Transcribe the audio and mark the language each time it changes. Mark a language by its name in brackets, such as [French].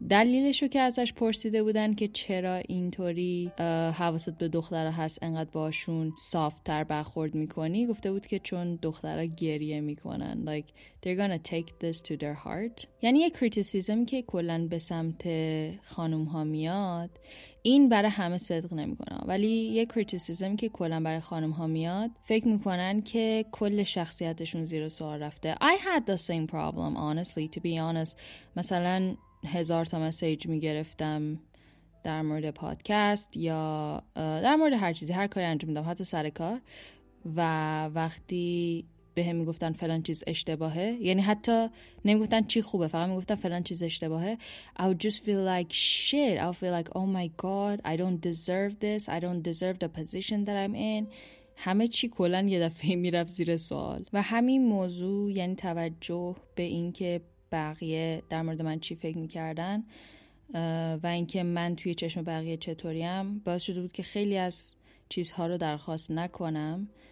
[Persian] دلیلشو که ازش پرسیده بودن که چرا اینطوری حواست به دختر هست، انقدر باشون سافت‌تر برخورد میکنی، گفته بود که چون دخترها گریه میکنن، [English] like they're gonna take this to their heart. [Persian] یعنی یه کریتیسیزمی که کلن به سمت خانوم ها میاد، این برای همه صدق نمیکنه، ولی یه کریتیسیزمی که کلا برای خانم ها میاد، فکر میکنن که کل شخصیتشون زیر سوال رفته. [English] I had the same problem honestly, to be honest. [Persian] مثلا 1000 تا مسیج میگرفتم در مورد پادکست یا در مورد هر چیزی، هر کاری انجام میدم حتی سر کار، و وقتی بهم میگفتن فلان چیز اشتباهه، یعنی حتی نمیگفتن چی خوبه، فقط میگفتن فلان چیز اشتباهه، [English] I would just feel like shit. I would feel like oh my god, I don't deserve this. I don't deserve the position that I'm in. [Persian] همه چی کلن یه دفعه میرفت زیر سوال. و همین موضوع، یعنی توجه به این که بقیه در مورد من چی فکر میکردن و اینکه من توی چشم بقیه چطوریم، باعث شده بود که خیلی از چیزها رو درخواست نکنم.